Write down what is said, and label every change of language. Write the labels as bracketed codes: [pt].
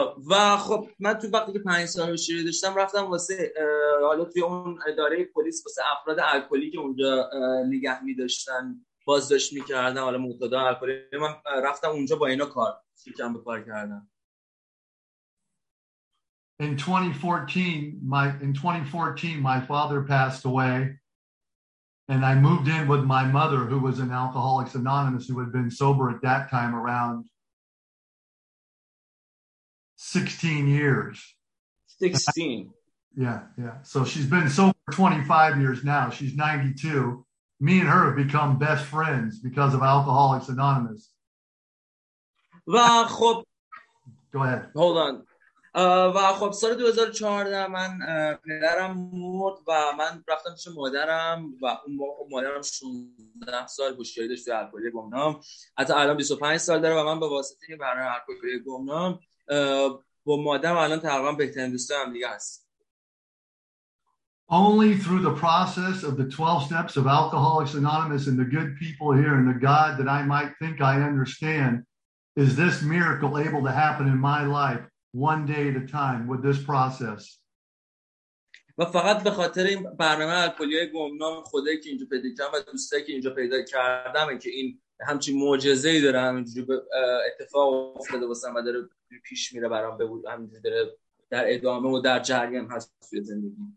[fa] و خب من تو وقتی که 5 سال هوشیاری داشتم رفتم واسه حالا توی اون اداره پلیس واسه افراد الکلی که اونجا نگه می داشتن بازداشت می کردن حالا معتاد الکلی من رفتم اونجا با اینا کار شکم به کار کردم. [en] In 2014, my father passed away, and I moved in with my mother, who was in Alcoholics Anonymous, who had been sober at that time around 16 years. 16. Yeah. So she's been sober 25 years now. She's 92. Me and her have become best friends because of Alcoholics Anonymous. Go ahead. Hold on. [fa] و خب سال 2014 من پدرم مرد و من رفتم پیش مادرم و اون موقع مادرم 16 سال هوشیاری داشت توی الکلی گمنام، حتی الان 25 سال داره و من به واسطه این برنامه الکلی گمنام با مادرم الان تقریبا بهترین دوستای هم دیگه هست. [en] Only through the process of the 12 steps of Alcoholics Anonymous and the good people here and the God that I might think I understand is this miracle able to happen in my life one day at a time with this process. [fa] و فقط به خاطر این برنامه الکلی‌های گمنام خدایی که اینجا پیدا کردم و دوستایی که اینجا پیدا کردم که این همچین معجزه‌ای داره همینجوری اتفاق افتاده واسم و داره پیش میره برام به بود همینجوری داره در ادامه و در جریان هست توی زندگی.